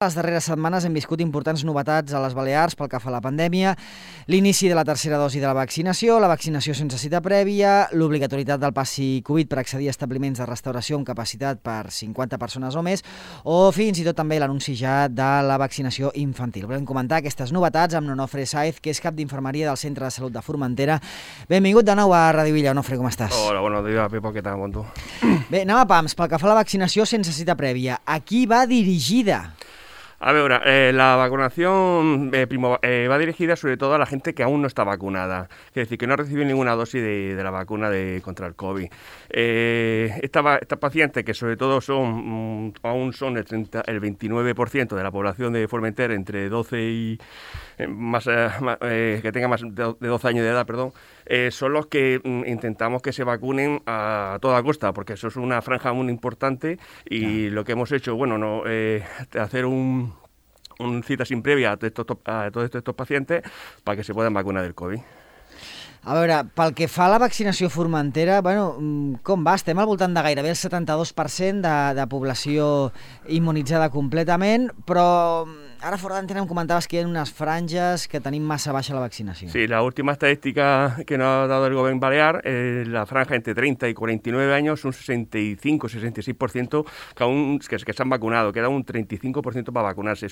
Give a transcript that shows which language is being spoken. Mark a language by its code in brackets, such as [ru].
[ca] Les darreres setmanes hem viscut importants novetats a les Balears pel que fa a la pandèmia, l'inici de la tercera dosi de la vaccinació sense cita prèvia, l'obligatorietat del passi Covid per accedir a establiments de restauració amb capacitat per 50 persones o més, o fins i tot també l'anunci ja de la vaccinació infantil. Volem comentar aquestes novetats amb Onofre Sáez, que és cap d'infermeria del Centre de Salut de Formentera. Benvingut de nou a Ràdio Illa, Onofre, com estàs? Hola, bon dia, Pepo, què tal, bon tu? Bé, anem a pams, pel que fa a la vaccinació sense cita prèvia, a qui va dirigida? [es] A ver, la vacunación va dirigida sobre todo a la gente que aún no está vacunada, es decir, que no ha recibido ninguna dosis de la vacuna contra el COVID. Estas pacientes, que sobre todo aún son el 29% de la población de Formentera entre 12 y más, que tenga más de 12 años de edad, perdón, son los que intentamos que se vacunen a toda costa, porque eso es una franja muy importante y claro. Lo que hemos hecho, bueno, no hacer un cita sin previa a todos estos pacientes para que se puedan vacunar del COVID. [ca] A veure, pel que fa a la vaccinació a Formentera, bueno, com va? Estem al voltant de gairebé el 72% de població immunitzada completament, però ara fora d'antena em comentaves que hi ha unes franges que tenim massa baixa la vaccinació. [es] Sí, la última estadística que nos ha dado el govern balear, la franja entre 30 [ca] i 49 anys, un 65-66% que s'han vacunat, queda un 35% per vacunar-se.